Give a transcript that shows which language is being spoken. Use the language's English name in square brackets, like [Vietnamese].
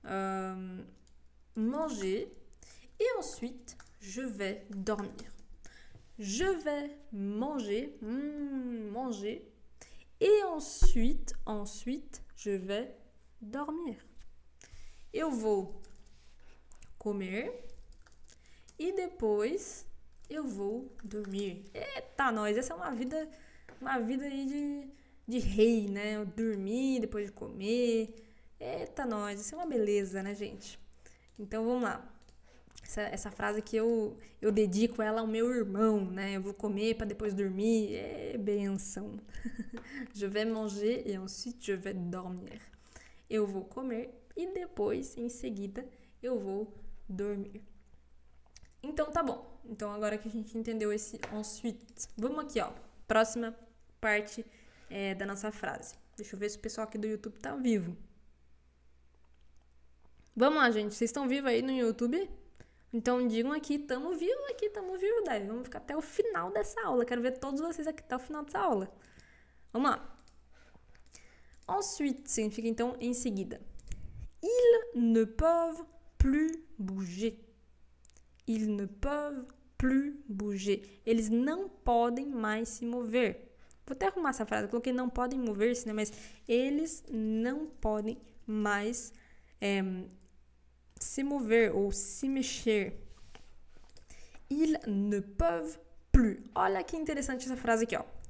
[French] Je vais manger et ensuite je vais dormir. Je vais manger, manger et ensuite je vais dormir. [Portuguese] Eu vou comer e depois eu vou dormir. Eita, nós, essa é uma vida aí de rei, né? Eu dormir depois de comer. Eita, nós, isso é uma beleza, né, gente? Então, vamos lá. Essa frase que eu dedico ela ao meu irmão, né? Eu vou comer para depois dormir. É benção. [French] Je vais manger et ensuite je vais dormir. [Portuguese] Eu vou comer e depois, em seguida, eu vou dormir. Então, tá bom. Então, agora que a gente entendeu esse ensuite, vamos aqui, ó. Próxima parte da nossa frase. Deixa eu ver se o pessoal aqui do YouTube tá vivo. Vamos lá, gente. Vocês estão vivos aí no YouTube? Então, digam aqui, tamo vivo aqui, tamo vivo, daí. Vamos ficar até o final dessa aula. Quero ver todos vocês aqui até o final dessa aula. Vamos lá. Ensuite significa, então, em seguida. [French] Ils ne peuvent plus bouger. Ils ne peuvent plus bouger. [Portuguese] Eles não podem mais se mover. Vou até arrumar essa frase. Eu coloquei não podem mover-se, né? Mas eles não podem mais se mover ou se mexer. [French] Ils ne peuvent plus. [Portuguese] Olha que interessante essa frase aqui, ó.